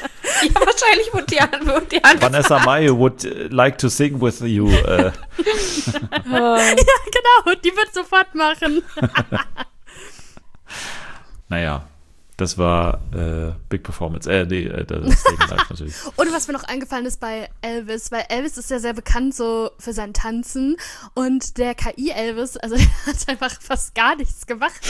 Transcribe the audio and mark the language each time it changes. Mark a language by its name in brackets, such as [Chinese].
[German] Ja, wahrscheinlich wird die [English] Vanessa Mai would like to sing with you. [German] Ja, genau, die wird sofort machen. Naja, das war Big Performance. Das ist eben live natürlich. Und was mir noch eingefallen ist bei Elvis, weil Elvis ist ja sehr bekannt so für sein Tanzen und der KI-Elvis, also der hat einfach fast gar nichts gemacht.